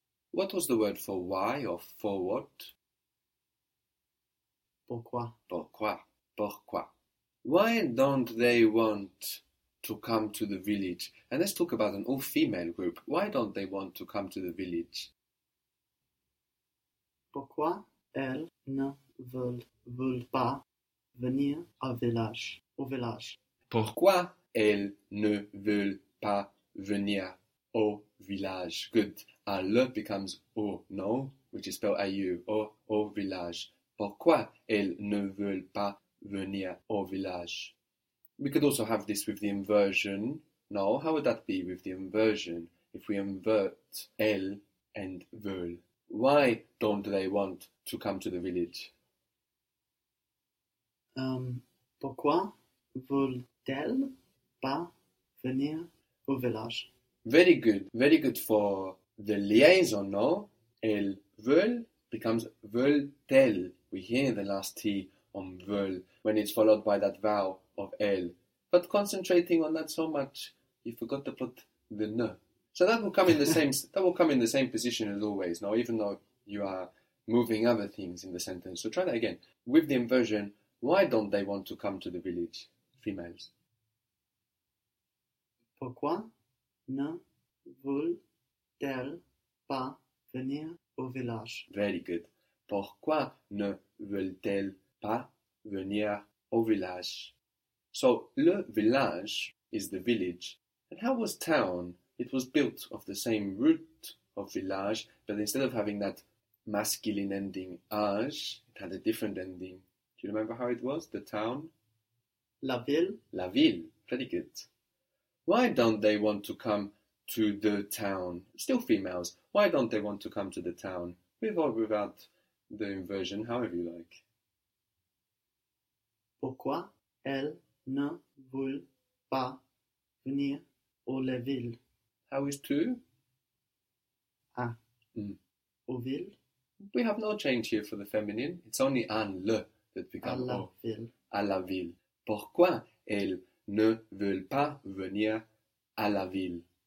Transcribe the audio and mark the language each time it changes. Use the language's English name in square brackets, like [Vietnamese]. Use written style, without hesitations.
[English] What was the word for why or for what? [French] Pourquoi? Pourquoi? Pourquoi? [English] Why don't they want to come to the village? And let's talk about an all-female group. Why don't they want to come to the village? [French] Pourquoi elles ne veulent pas venir au village? Au village. Pourquoi elles ne veulent pas venir au village? [English] Good. A le becomes au, no? Which is spelled au, [French] au village. Pourquoi elles ne veulent pas venir au village. [English] We could also have this with the inversion. No, how would that be with the inversion if we invert elle and veulent? Why don't they want to come to the village? [French] Pourquoi veulent-elles pas venir au village? [English] Very good. Very good for the liaison, no? [French] Elles veulent becomes veulent-elles. [English] We hear the last T on veulent when it's followed by that vowel of L. But concentrating on that so much, you forgot to put the ne. So that will come in the same position as always. Now, even though you are moving other things in the sentence, so try that again with the inversion. Why don't they want to come to the village, females? [French] Pourquoi ne veulent-elles pas venir au village? [English] Very good. [French] Pourquoi ne veulent-elles pas venir au village? [English] So, le village is the village. And how was town? It was built of the same root of village, but instead of having that masculine ending, age, it had a different ending. Do you remember how it was? The town? [French] La ville. La ville. [English] Very good. Why don't they want to come to the town? Still females. Why don't they want to come to the town? With or without the inversion, however you like. [French] Pourquoi elles ne veulent pas venir au la ville? [English] How is to? [French] Ah. Au ville. [English] We have no change here for the feminine. It's only un le that becomes [French] à la ville. À la ville. Pourquoi elles ne veulent pas venir à la ville?